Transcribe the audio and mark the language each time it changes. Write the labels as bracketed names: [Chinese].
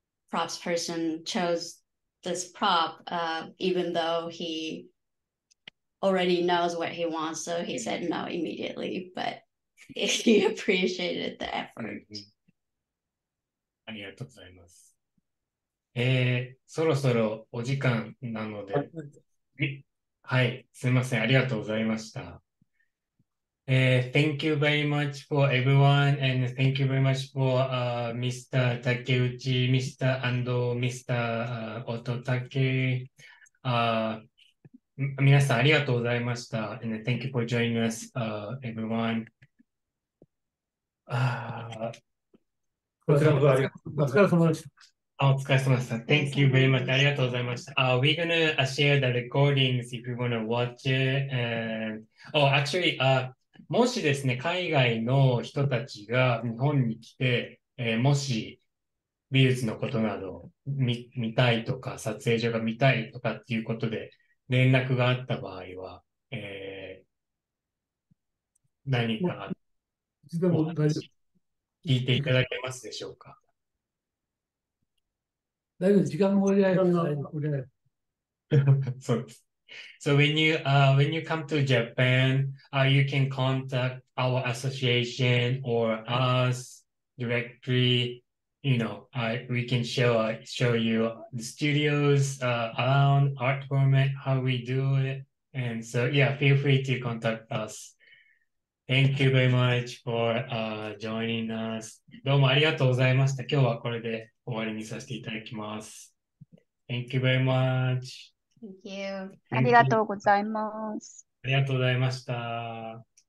[English] props person chose this prop, even though he already knows what he wants, so he said no immediately, but he appreciated the effort. [Japanese] ありがとうございます。そろそろお時間なので、はい、すいません、ありがとうございました。 [English] Thank you very much for everyone, and thank you very much for Mr. Takeuchi, Mr. Ando, Mr. Ototake. [Japanese] 皆さんありがとうございました。 [English] And thank you for joining us, everyone. [Japanese] こちらこそありがとうございました。お疲れ様でした。 [English] Thank you very much. [Japanese] ありがとうございました。 [English] We're gonna share the recordings if you wanna watch it. And, oh, actually, [Japanese] もしですね、海外の人たちが日本に来て、もし美術のことなど 見たいとか、撮影所が見たいとかっていうことで連絡があった場合は、何か聞いていただけますでしょうか。大丈夫、時間も折り合いです。そうです。 [English] So when you come to Japan, you can contact our association or us directly. You know, we can show you the studios around art format, how we do it. And so, yeah, feel free to contact us. Thank you very much for joining us. [Japanese] どうもありがとうございました。今日はこれで終わりにさせていただきます。 [English] Thank you very much. Thank you. [Japanese] ありがとうございます。ありがとうございました。